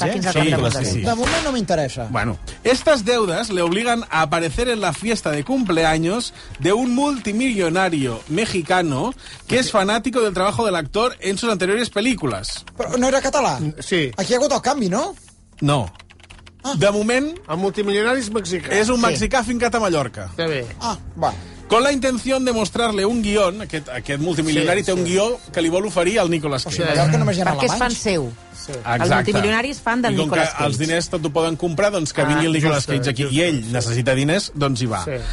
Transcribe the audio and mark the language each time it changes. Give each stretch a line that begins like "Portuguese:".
Spanish: ¿eh? Sí.
Catalan: De moment no m'interessa.
Spanish: Bueno, estas deudas le obligan a aparecer en la fiesta de cumpleaños de un multimillonario mexicano que es fanático del trabajo del actor en sus anteriores películas.
Catalan: Però no era català? Sí. Aquí hi ha hagut el canvi, no? No. Ah. De moment... El multimilionari és mexicà. És un mexicà fincat a Mallorca. Té bé. Ah, va. Con la intención de mostrarle un guión, aquest multimilionari té un guió que li vol oferir al Nicolas Cage. O sigui, Mallorca només hi ha alemanys. Perquè és fan seu. Sí. Els multimilionaris fan del Nicolas Cage. I com que els diners tot ho poden comprar, doncs que vingui el Nicolas Cage aquí. I ell necessita diners, doncs hi va.